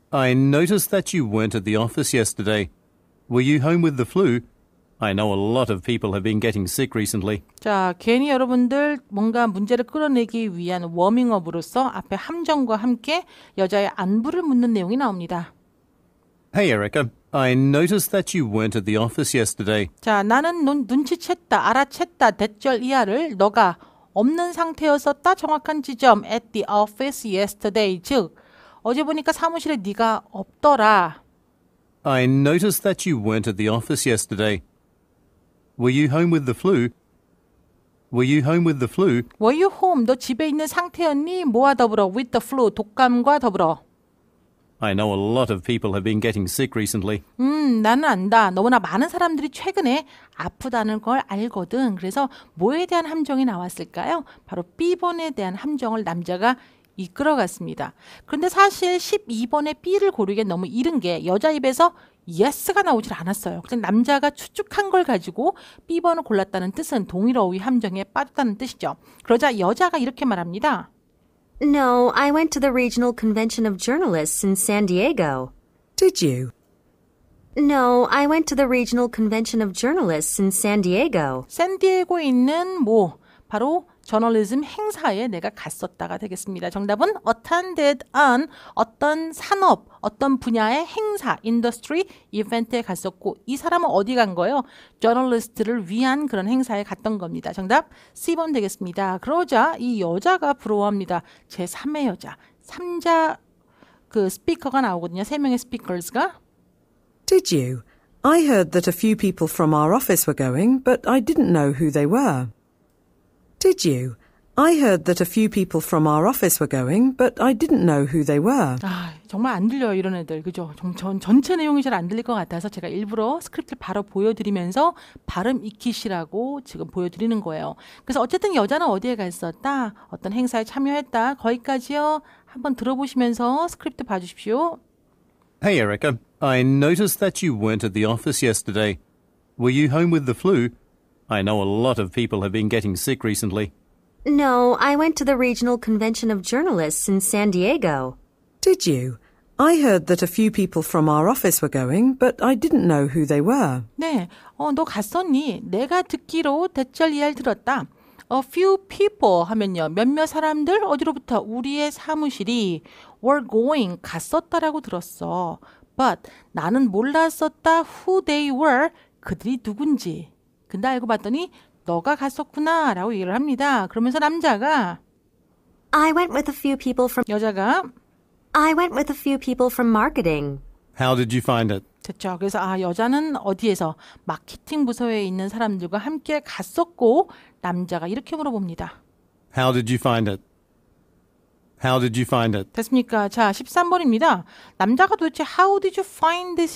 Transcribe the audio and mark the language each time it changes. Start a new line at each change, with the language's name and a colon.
English: I noticed that you weren't at the office yesterday. Were you home with the flu? I know a lot of people have been getting sick recently.
Korean: 자, 괜히 여러분들 뭔가 문제를 끌어내기 위한 워밍업으로서 앞에 함정과 함께 여자의 안부를 묻는 내용이 나옵니다.
English: Hey, Erica. I noticed that you weren't at the office yesterday.
Korean: 자, 나는 눈치챘다, 알아챘다, 대절 이하를 너가 없는 상태였었다, 정확한 지점,
English: at the office yesterday.
Korean: 즉, 어제 보니까 사무실에 네가 없더라.
English: I noticed that you weren't at the office yesterday. Were you home with the flu? Were you home with the flu? Were you home?
Korean: 너 집에 있는 상태였니? 뭐와 더불어?
English: With the flu,
Korean: 독감과 더불어.
English: I know a lot of people have been getting sick recently.
Korean: 나는 안다. 너무나 많은 사람들이 최근에 아프다는 걸 알거든. 그래서 뭐에 대한 함정이 나왔을까요? 바로 B번에 대한 함정을 남자가 이끌어갔습니다. 그런데 사실 12번의 B를 고르기엔 너무 이른 게 여자 입에서 yes가 나오질 않았어요. 그냥 남자가 추측한 걸 가지고 B번을 골랐다는 뜻은 동일 어휘 함정에 빠졌다는 뜻이죠. 그러자 여자가 이렇게 말합니다.
English: No, I went to the regional convention of journalists in San Diego. Did you? No, I went to the Regional Convention of Journalists in San Diego.
Korean: San Diego에 있는 뭐, 바로 저널리즘 행사에 내가 갔었다가 되겠습니다. 정답은
English: attended an
Korean: 어떤 산업, 어떤 분야의 행사, industry, event에 갔었고 이 사람은 어디 간 거예요? 저널리스트를 위한 그런 행사에 갔던 겁니다. 정답 C번 되겠습니다. 그러자 이 여자가 부러워합니다. 제3의 여자, 3자 그 스피커가 나오거든요. 3명의 스피커스가.
English: Did you? I heard that a few people from our office were going, but I didn't know who they were. Did you? I heard that a few people from our office were going, but I didn't know who they were.
Korean: 아, 정말 안 들려요, 이런 애들. 그죠? 전체 내용이 잘 안 들릴 것 같아서 제가 일부러 스크립트를 바로 보여드리면서 발음 익히시라고 지금 보여드리는 거예요. 그래서 어쨌든 여자는 어디에 갔었다? 어떤 행사에 참여했다? 거기까지요. 한번 들어보시면서 스크립트 봐주십시오.
English: Hey, Erica. I noticed that you weren't at the office yesterday. Were you home with the flu? I know a lot of people have been getting sick recently. No, I went to the Regional Convention of Journalists in San Diego. Did you? I heard that a few people from our office were going, but I didn't know who they were.
Korean: 네, 너 갔었니? 내가 듣기로 대절 이야기 들었다.
English: A few people
Korean: 하면요. 몇몇 사람들 어디로부터 우리의 사무실이
English: were going,
Korean: 갔었다라고 들었어. But 나는 몰랐었다
English: who they were,
Korean: 그들이 누군지. 근데 알고 봤더니 너가 갔었구나 라고 얘기를 합니다. 그러면서 남자가
English: I went with a few people from
Korean: 여자가
English: I went with a few people from marketing. How did you find it?
Korean: 됐죠. 그래서 아 여자는 어디에서 마케팅 부서에 있는 사람들과 함께 갔었고 남자가 이렇게 물어봅니다.
English: How did you find it? How did you find it?
Korean: 됐습니까? 자 13번입니다. 남자가 도대체
English: How did you find it?